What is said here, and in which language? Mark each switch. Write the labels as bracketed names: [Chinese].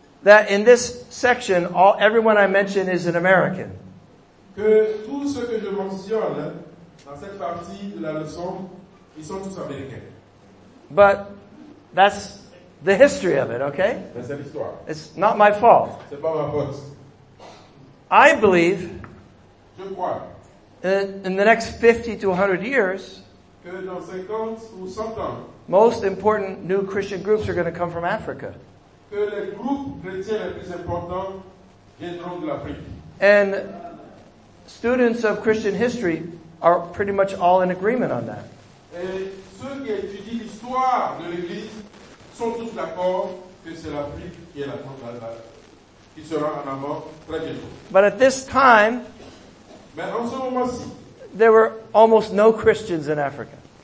[English] That in this section, everyone I mention is an American. [French] Que tout ce que je mentionne dans cette partie de la leçon, ils sont tous américains. [English] But that's the history of it, okay? [French] Mais c'est l'histoire. [English] It's not my fault. [French] C'est pas ma faute. [English] I believe. [French] Je crois. [English] In the next 50 to 100 years. [French] Que dans 50 ou 100 ans. [English] Most important new Christian groups are going to come from Africa. [French] Que les groupes chrétiens les plus importants viendront de l'Afrique. [English] And students of Christian history are pretty much all in agreement on that. [French] Et ceux qui étudient l'histoire de l'Église sont tous d'accord que c'est l'Afrique qui est la frontière, qui sera en avant très bientôt. [English] But at this time, [French] mais en ce moment-ci, [English] there were almost no Christians in Africa.